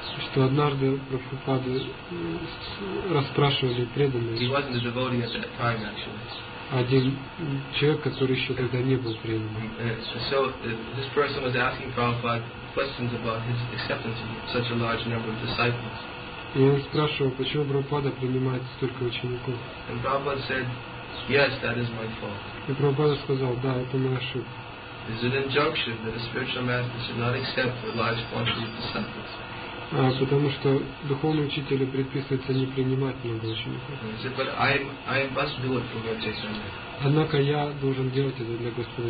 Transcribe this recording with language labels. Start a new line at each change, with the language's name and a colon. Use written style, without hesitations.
Russian: Что однажды Прабхупаду расспрашивали преданные.
English: He wasn't a devotee at that time, actually.
Russian: Один человек, который еще тогда не был преданным.
English: So this person was asking Prabhupada questions about his acceptance of such a large number of disciples.
Russian: И он спрашивал, почему Прабхупада принимает столько учеников.
English: And Prabhupada said, yes, that is my fault.
Russian: И Прабхупада сказал, да, это моя ошибка.
English: It's an injunction that a spiritual master should not accept a large quantity of disciples.
Russian: Потому что духовный учитель предписывается не принимать много учеников. Однако я должен делать это для Господа